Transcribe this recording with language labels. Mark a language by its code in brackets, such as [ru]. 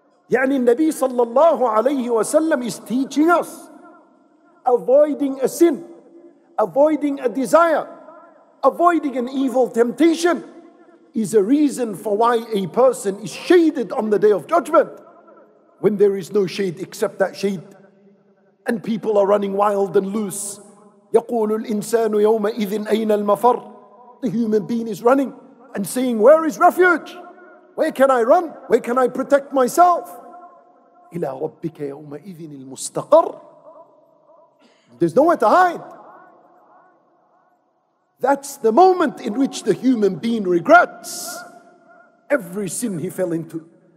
[en] Yani Nabi sallallahu alayhi wa sallam is teaching us avoiding a sin, avoiding a desire, avoiding an evil temptation is a reason for why a person is shaded on the day of judgment when there is no shade except that shade and people are running wild and loose. [ar] يقول الإنسان يومئذ أين المفر. [en] The human being is running and saying, where is refuge? Where can I run? Where can I protect myself? [ar] إِلَىٰ رَبِّكَ يَوْمَئِذٍ الْمُسْتَقَرِ. [en] There's nowhere to hide. That's the moment in which the human being regrets every sin he fell into.